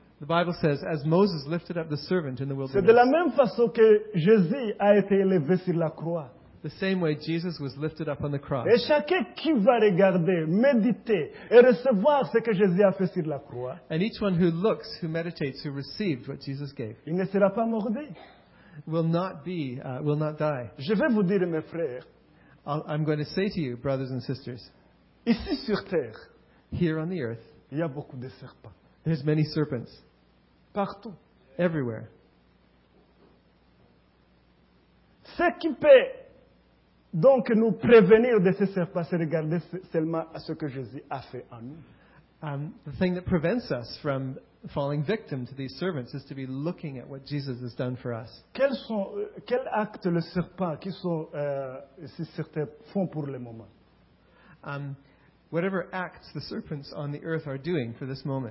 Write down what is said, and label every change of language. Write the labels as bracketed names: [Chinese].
[English] The Bible says, as Moses lifted up the serpent in the wilderness. [French] C'est de la même façon que Jésus a été élevé sur la croix. [English] The same way Jesus was lifted up on the cross. [French] Et chacun qui va regarder, méditer et recevoir ce que Jésus a fait sur la croix. [English] And each one who looks, who meditates, who received what Jesus gave. [French] Il ne sera pas mordu. [English] Will not die. [French] Je vais vous dire, mes frères. [English] I'm going to say to you, brothers and sisters. [French] Ici sur terre. [English] Here on the earth. [French] Il y a beaucoup de serpents. [English] There's many serpents. [French] Partout. [English] Everywhere. [French] Ce qui peut donc nous prévenir de ce serpent, c'est regarder seulement à ce que Jésus a fait en nous. [English] The thing that prevents us from falling victim to these servants is to be looking at what Jesus has done for us. [French] Quel acte le serpent qui sont si certains font pour le moment? [English] Whatever acts the serpents on the earth are doing for this moment.